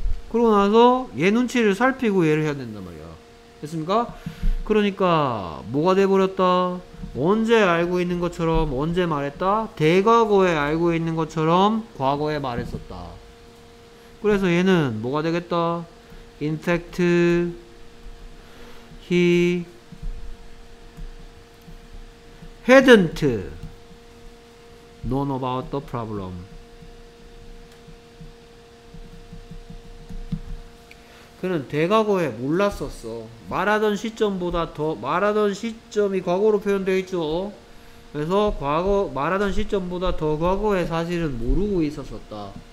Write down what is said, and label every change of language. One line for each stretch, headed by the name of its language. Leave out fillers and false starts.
Korean: 그러고 나서 얘 눈치를 살피고 얘를 해야 된단 말이야. 됐습니까? 그러니까 뭐가 돼버렸다? 언제 알고 있는 것처럼 언제 말했다? 대과거에 알고 있는 것처럼 과거에 말했었다. 그래서 얘는 뭐가 되겠다?
English: In fact, he hadn't known about the problem.
Korean: 그는 대과거에 몰랐었어. 말하던 시점보다 더 말하던 시점이 과거로 표현되어 있죠. 그래서 과거 말하던 시점보다 더 과거의 사실은 모르고 있었었다.